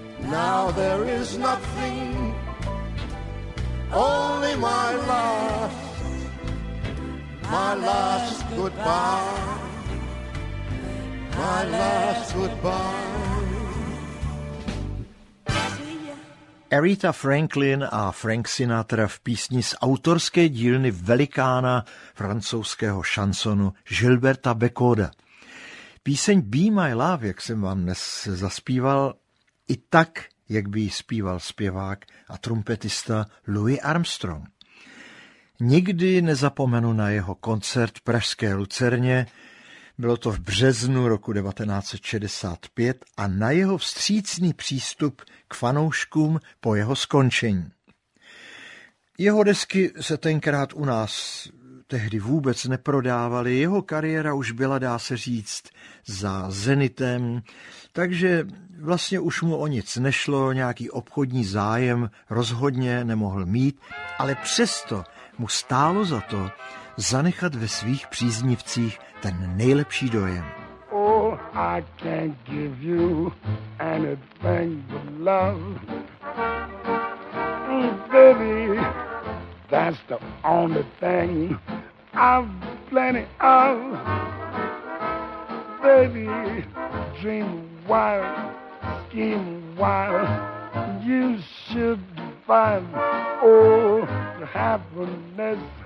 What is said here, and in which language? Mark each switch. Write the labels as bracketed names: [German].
[English] Now there is nothing, only my last goodbye, my last goodbye. [Czech] Aretha Franklin a Frank Sinatra v písni z autorské dílny velikána francouzského šansonu Gilberta Becoda. Píseň Be My Love, jak jsem vám dnes zaspíval, i tak, jak by ji zpíval zpěvák a trumpetista Louis Armstrong. Nikdy nezapomenu na jeho koncert v pražské Lucerně Bylo to v březnu roku 1965 a na jeho vstřícný přístup k fanouškům po jeho skončení. Jeho desky se tenkrát u nás tehdy vůbec neprodávaly, jeho kariéra už byla, dá se říct, za zenitem, takže vlastně už mu o nic nešlo, nějaký obchodní zájem rozhodně nemohl mít, ale přesto mu stálo za to zanechat ve svých příznivcích ten nejlepší dojem. [English] Oh, I can't give you anything but love. Baby, that's the only thing I've plenty of. Baby, dream wild, scheme wild, you should find all the happiness.